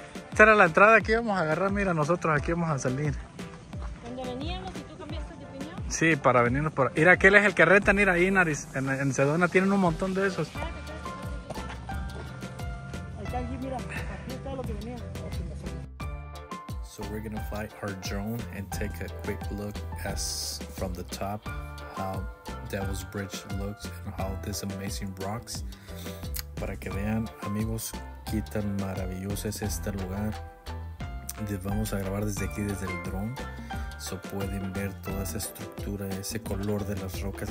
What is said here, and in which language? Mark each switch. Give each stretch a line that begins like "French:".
Spanish: Esta era la entrada que íbamos a agarrar, mira, nosotros aquí vamos a salir. ¿Cuando veníamos y tú cambiaste de opinión? Sí, para venirnos por ahí. Mira, aquel es el que retan ir ahí en Sedona, tienen un montón de esos. Ahí está, mira, aquí está lo que venía.
English: So we're gonna fly our drone and take a quick look as from the top how Devil's Bridge looks and how this amazing rocks.
Spanish: Para que vean, amigos, qué tan maravilloso es este lugar. Vamos a grabar desde aquí, desde el drone. So pueden ver toda esa estructura, ese color de las rocas.